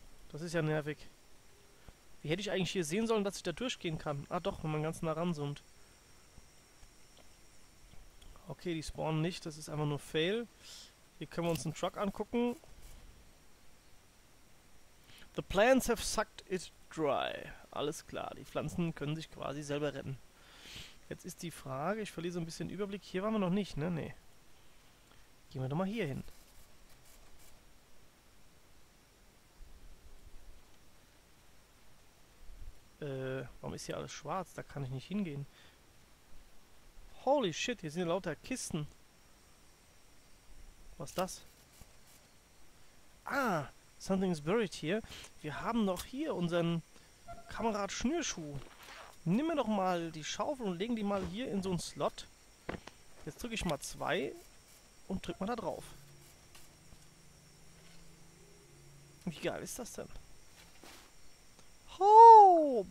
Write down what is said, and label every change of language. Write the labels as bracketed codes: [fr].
[de] Das ist ja nervig. Wie hätte ich eigentlich hier sehen sollen, dass ich da durchgehen kann? Ah doch, wenn man ganz nah ranzoomt. Okay, die spawnen nicht. Das ist einfach nur Fail. Hier können wir uns einen Truck angucken. [en] The plants have sucked it dry. [de] Alles klar, die Pflanzen können sich quasi selber retten. Jetzt ist die Frage, ich verliere so ein bisschen Überblick. Hier waren wir noch nicht, ne? Nee. Gehen wir doch mal hier hin. Warum ist hier alles schwarz? Da kann ich nicht hingehen. [en] Holy shit, [de] hier sind ja lauter Kisten. Was ist das? [en] Ah, something's buried here. [de] Wir haben noch hier unseren Kamerad Schnürschuh. Nimm mir doch mal die Schaufel und legen die mal hier in so einen Slot. Jetzt drücke ich mal 2 und drück mal da drauf. Wie geil ist das denn? Ho!